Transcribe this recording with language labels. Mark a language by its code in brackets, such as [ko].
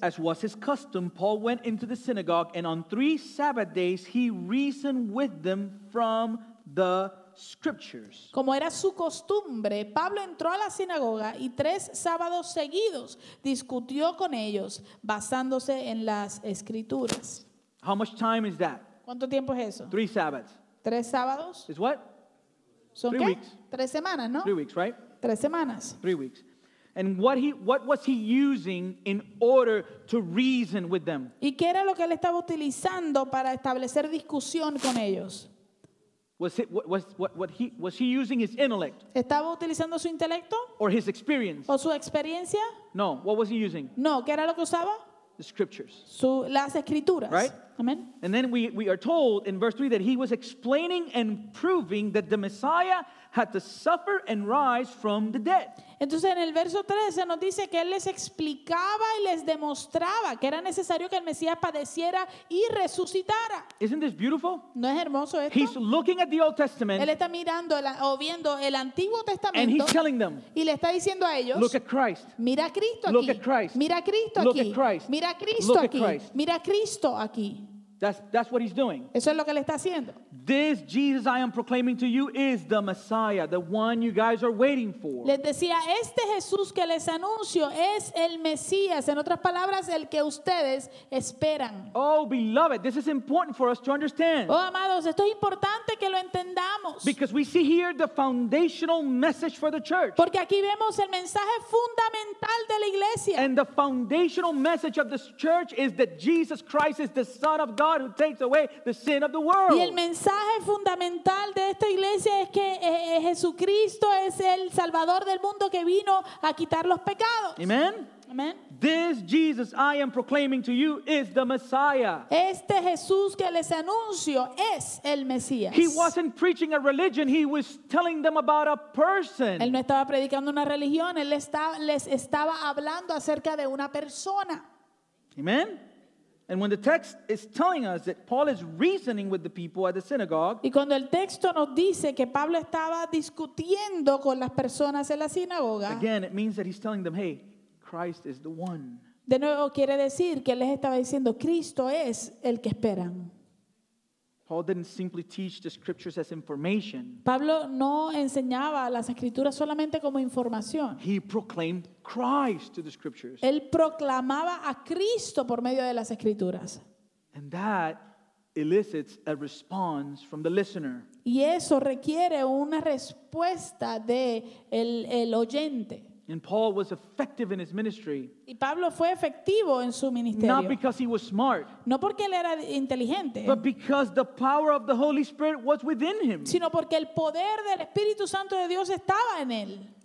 [en] As was his custom, Paul went into the synagogue, and on three Sabbath days he reasoned with them from the scriptures. [es] Como era su costumbre, Pablo entró a la sinagoga y tres sábados seguidos discutió con ellos basándose en las escrituras. [en] How much time is that? [es] ¿Cuánto tiempo es eso? [en] Three Sabbaths. [es] ¿Tres sábados? [en] Is what? [es] ¿Son [en] three [es] qué? [en] Weeks. [es] 3 semanas, ¿no? [en] 3 weeks, right? [es] 3 semanas. [en] 3 weeks. And what was he using in order to reason with them? [es] ¿Y qué era lo que él estaba utilizando para establecer discusión con ellos? [en] Was he using his intellect? [es] ¿Estaba utilizando su intelecto? [en] Or his experience? [es] ¿O su experiencia? [en] No, what was he using? [es] No, ¿qué era lo que usaba? [en] The scriptures. [es] Las escrituras. [en] Right? Amen. And then we are told in verse 3 that he was explaining and proving that the Messiah had to suffer and rise from the dead. [es] Entonces en el verso 13 nos dice que él les explicaba y les demostraba que era necesario que el Mesías padeciera y resucitara. [en] Isn't this beautiful? [es] ¿No es hermoso esto? [en] He's looking at the Old Testament. [es] Él está mirando o viendo el Antiguo Testamento. [en] And he's telling them. [es] Y le está diciendo a ellos. [en] Look at Christ. [es] Mira a Cristo aquí. [en] Look at Christ. [es] Mira a Cristo [en] look [es] aquí. [en] Look at Christ. [es] Mira a Cristo [en] look [es] aquí. [en] At Christ. [es] Mira a Cristo aquí. [en] That's what he's doing. [es] Eso es lo que le está haciendo. [en] This Jesus I am proclaiming to you is the Messiah, the one you guys are waiting for. [es] Les decía, este Jesús que les anuncio es el Mesías. En otras palabras, el que ustedes esperan. [en] Oh, beloved, this is important for us to understand. [es] Oh, amados, esto es importante que lo entendamos. [en] Because we see here the foundational message for the church. [es] Porque aquí vemos el mensaje fundamental de la iglesia. [en] And the foundational message of this church is that Jesus Christ is the Son of God who takes away the sin of the world. [es] Y el mensaje fundamental de esta iglesia es que Jesucristo es el Salvador del mundo que vino a quitar los pecados. Amen. Amen. [en] This Jesus I am proclaiming to you is the Messiah. [es] Este Jesús que les anuncio es el Mesías. [en] He wasn't preaching a religion, he was telling them about a person. [es] Él no estaba predicando una religión, él les estaba hablando acerca de una persona. Amen. [en] And when the text is telling us that Paul is reasoning with the people at the synagogue, [es] y cuando el texto nos dice que Pablo estaba discutiendo con las personas en la sinagoga, [en] again, it means that he's telling them, hey, Christ is the one. [es] De nuevo quiere decir que les estaba diciendo, Cristo es el que esperan. [en] Paul didn't simply teach the scriptures as information. [es] Pablo no enseñaba las escrituras solamente como información. [en] He proclaimed Christ to the scriptures. [es] Él proclamaba a Cristo por medio de las escrituras. [en] And that elicits a response from the listener. [es] Y eso requiere una respuesta de el oyente. [en] And Paul was effective in his ministry. [es] Y Pablo fue efectivo en su ministerio. [en] Not because he was smart. [es] No porque él era inteligente. [en] But because the power of the Holy Spirit was within him. [es] Sino porque el poder del Espíritu Santo de Dios estaba en él.